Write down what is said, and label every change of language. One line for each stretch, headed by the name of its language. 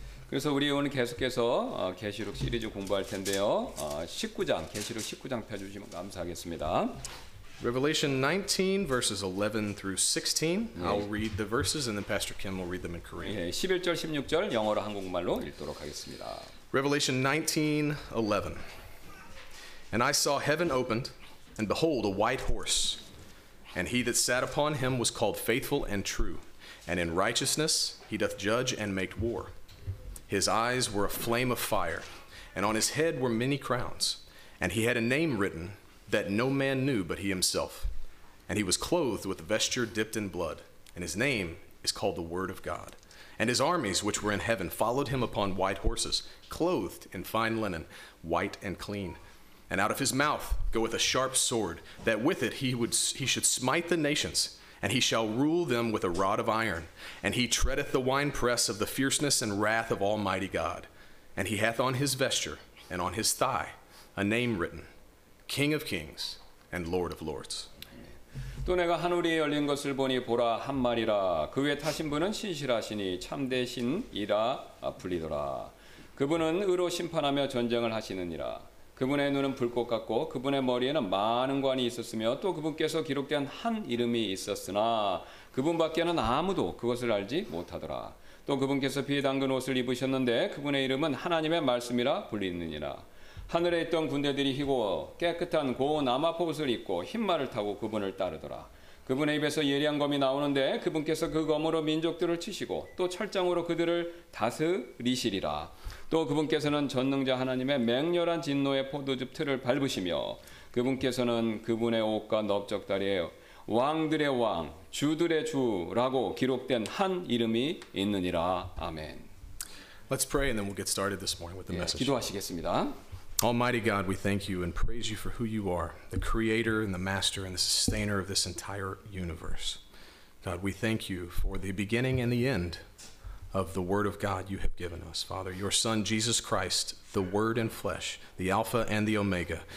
Korean: 그래서 우리 오늘 계속해서 계시록 시리즈 공부할 텐데요. 19장, 계시록 19장 펴주시면 감사하겠습니다.
English: Revelation 19 verses 11 through 16. 네. I'll read the verses and then Pastor Kim will read them in Korean.
Korean: 네, 11절, 16절 영어로 한국말로 읽도록 하겠습니다.
English: Revelation 19, 11. And I saw heaven opened, and behold, a white horse. And he that sat upon him was called Faithful and True. And in righteousness he doth judge and make war. His eyes were a flame of fire, and on his head were many crowns. And he had a name written that no man knew but he himself. And he was clothed with a vesture dipped in blood, and his name is called the Word of God. And his armies which were in heaven followed him upon white horses, clothed in fine linen, white and clean. And out of his mouth goeth a sharp sword, that with it he should smite the nations, and he shall rule them with a rod of iron. And he treadeth the winepress of the fierceness and wrath of Almighty God. And he hath on his vesture and on his thigh a name written, King of Kings and Lord of Lords.
Korean: 또 내가 하늘이 열린 것을 보니 보라 한 마리라. 그 위에 타신 분은 신실하시니 참되신이라 불리더라. 그분은 의로 심판하며 전쟁을 하시느니라. 그분의 눈은 불꽃 같고 그분의 머리에는 많은 관이 있었으며 또 그분께서 기록된 한 이름이 있었으나 그분밖에는 아무도 그것을 알지 못하더라. 또 그분께서 피에 담근 옷을 입으셨는데 그분의 이름은 하나님의 말씀이라 불리느니라. 하늘에 있던 군대들이 희고 깨끗한 고운 아마포 옷을 입고 흰말을 타고 그분을 따르더라. 그분의 입에서 예리한 검이 나오는데 그분께서 그 검으로 민족들을 치시고 또 철장으로 그들을 다스리시리라. 또 그분께서는 전능자 하나님의 맹렬한 진노의 포도즙 틀을 밟으시며 그분께서는 그분의 옷과 넓적다리에 왕들의 왕, 주들의 주라고 기록된 한 이름이 있느니라. 아멘.
English: Let's pray and then we'll get started this morning with the message.
Korean: 예, 기도하시겠습니다.
English: Almighty God, we thank you and praise you for who you are, the creator and the master and the sustainer of this entire universe. God, we thank you for the beginning and the end of the word of God you have given us, Father, your son, Jesus Christ, the word in flesh, the Alpha and the Omega.